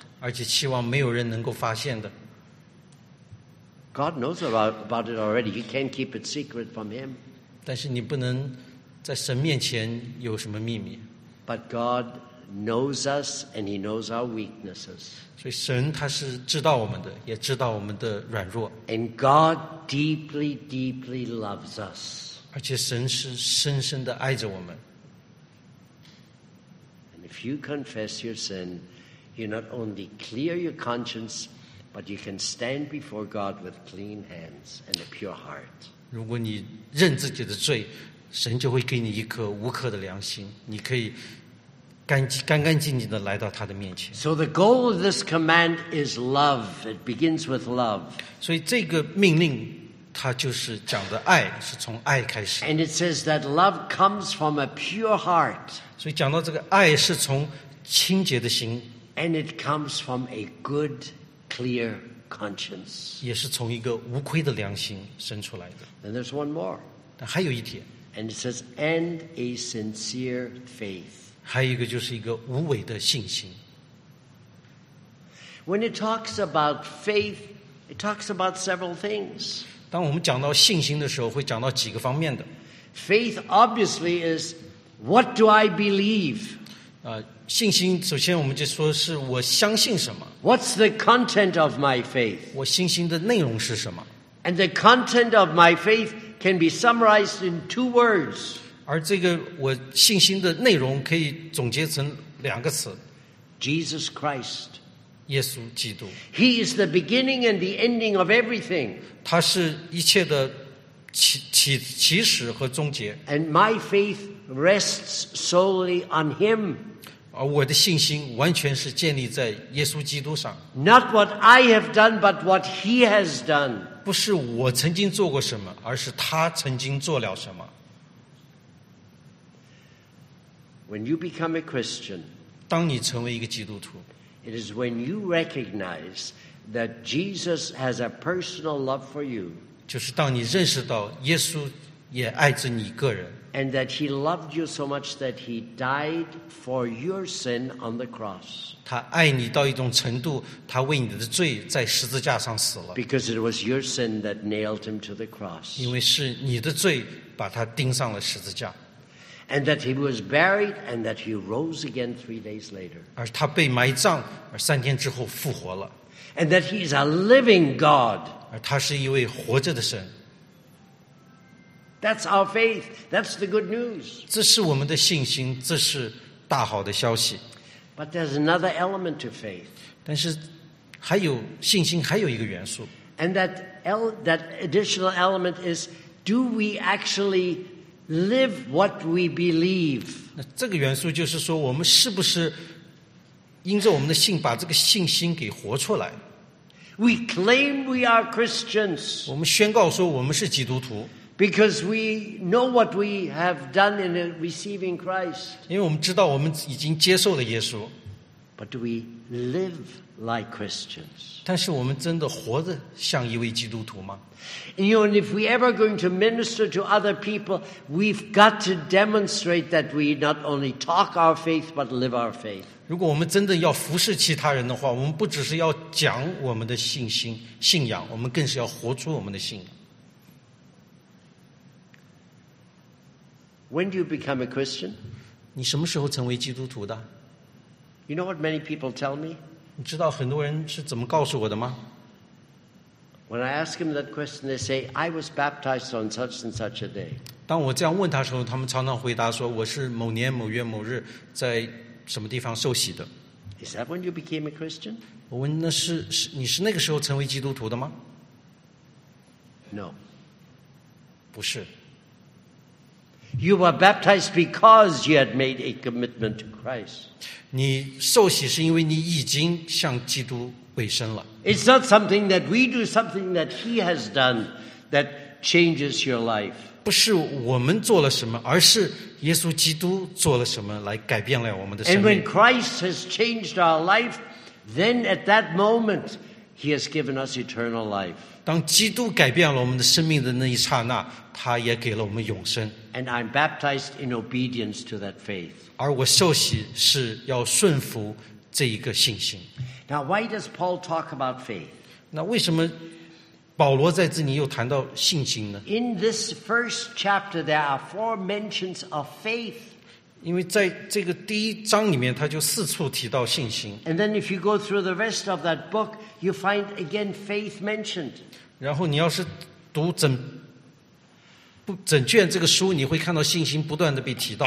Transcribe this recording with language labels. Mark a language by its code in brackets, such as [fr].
[zh] 而且希望没有人能够发现的。 [en] God knows about it already. You can't keep it secret from him. [zh] 但是你不能在神面前有什么秘密。 [en] But God knows us and he knows our weaknesses. [zh] 所以神他是知道我们的，也知道我们的软弱。 [en] And God deeply, deeply loves us. [zh] 而且神是深深地爱着我们。 [en] And if you confess your sin, you not only clear your conscience, but you can stand before God with clean hands and a pure heart. [zh] 如果你认自己的罪，神就会给你一颗无愧的良心，你可以干干净净地来到他的面前。 [en] So the goal of this command is love. It begins with love. [zh] 所以这个命令它就是讲的爱，是从爱开始。 [en] And it says that love comes from a pure heart. [zh] 所以讲到这个爱是从清洁的心。 [en] And it comes from a good, clear conscience. [zh] 也是从一个无愧的良心生出来的。 [en] And there's one more. [zh] 但还有一点。 [en] And it says, and a sincere faith. [zh] 还有一个就是一个无伪的信心。 [en] When it talks about faith, it talks about several things. [zh] 当我们讲到信心的时候会讲到几个方面的 [en] Faith obviously is what do I believe? [zh] 信心首先我们就说是我相信什么 [en] What's the content of my faith? [zh] 我信心的内容是什么 [en] And the content of my faith can be summarized in two words [zh] 而这个我信心的内容可以总结成两个词 [en] Jesus Christ [zh] 耶稣基督 [en] He is the beginning and the ending of everything [zh] 他是一切的 起始和终结 [en] And my faith rests solely on him [zh] 而我的信心完全是建立在耶稣基督上 [en] Not what I have done but what he has done [zh] 不是我曾经做过什么而是他曾经做了什么 [en] When you become a Christian [zh] 当你成为一个基督徒 [en] It is when you recognize that Jesus has a personal love for you. [zh] 就是当你认识到耶稣也爱着你个人。 [en] And that he loved you so much that he died for your sin on the cross. [zh] 他爱你到一种程度，他为你的罪在十字架上死了。 [en] Because it was your sin that nailed him to the cross. [zh] 因为是你的罪把他钉上了十字架。 [en] And that he was buried, and that he rose again 3 days later. [zh] 而他被埋葬，而三天之后复活了。 [en] And that he is a living God. [zh] 而他是一位活着的神。 [en] That's our faith. That's the good news. [zh] 这是我们的信心，这是大好的消息。 [en] But there's another element to faith. [zh] 但是还有信心，还有一个元素。 [en] And that additional element is, do we actually Live what we believe. [zh] 那这个元素就是说，我们是不是因着我们的信，把这个信心给活出来 [en] ？We claim we are Christians. [zh] 我们宣告说我们是基督徒。 [en] Because we know what we have done in receiving Christ. [zh] 因为我们知道我们已经接受了耶稣。 [en] But do we live like Christians? [zh] 但是我们真的活得像一位基督徒吗？ [en] And you know, and if we ever going to minister to other people, we've got to demonstrate that we not only talk our faith, but live our faith. [zh] 如果我们真的要服侍其他人的话，我们不只是要讲我们的信心、信仰，我们更是要活出我们的信仰。 [en] When do you become a Christian? [zh] 你什么时候成为基督徒的？ [en] You know what many people tell me? [zh] 你知道很多人是怎么告诉我的吗？ [en] When I ask him that question, they say, I was baptized on such and such a day. [zh] 当我这样问他的时候，他们常常回答说，我是某年某月某日在什么地方受洗的。 [en] Is that when you became a Christian? [zh] 我问那是，你是那个时候成为基督徒的吗？ [en] No. [zh] 不是。 [en] You were baptized because you had made a commitment to Christ. [zh] 你受洗是因为你已经向基督委身了。 [en] It's not something that we do, something that he has done that changes your life. [zh] 不是我们做了什么，而是耶稣基督做了什么来改变了我们的生命。 [en] And when Christ has changed our life, then at that moment, he has given us eternal life. [zh] 当基督改变了我们的生命的那一刹那，他也给了我们永生。 [en] And I'm baptized in obedience to that faith. [zh] 而我受洗是要顺服这一个信心。 [en] Now, why does Paul talk about faith? [zh] 那为什么保罗在这里又谈到信心呢？ [en] In this first chapter, there are 4 mentions of faith. [zh] 因为在这个第一章里面，他就四处提到信心。 [en] And then, if you go through the rest of that book, you find again faith mentioned. [zh] 然后你要是读整卷这个书，你会看到信心不断的被提到。